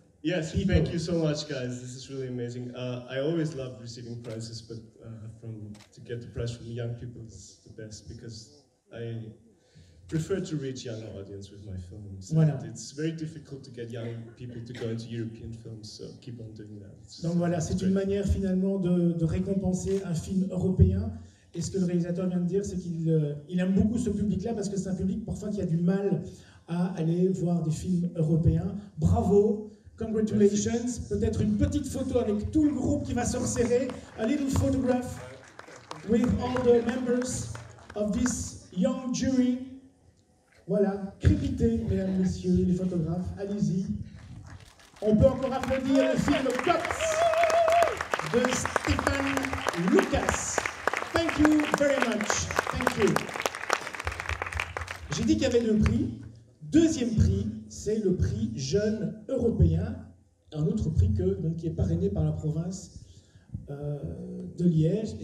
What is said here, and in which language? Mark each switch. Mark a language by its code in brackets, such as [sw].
[en] Yes, people. Thank you so much, guys. This is really amazing. I always love receiving prizes, but to get the prize from young people is the best, because I prefer to reach young audience with my films. [fr] Voilà. [en] It's very difficult to get young people to go into European films, so keep on doing that. [fr] Donc voilà, c'est une manière finalement de récompenser un film européen. Et ce que le réalisateur vient de dire, c'est qu'il il aime beaucoup ce public-là, parce que c'est un public parfois qui a du mal à aller voir des films européens. Bravo! Congratulations. Peut-être une petite photo avec tout le groupe qui va se resserrer. [en] A little photograph with all the members of this young jury. [fr] Voilà, crépitez, mesdames, messieurs, les photographes. Allez-y. On peut encore applaudir le film Cops de Stephen Lucas. [en] Thank you very much. Thank you. [fr] J'ai dit qu'il y avait deux prix. Deuxième prix, c'est le prix jeune européen, un autre prix que, donc, qui est parrainé par la province de Liège.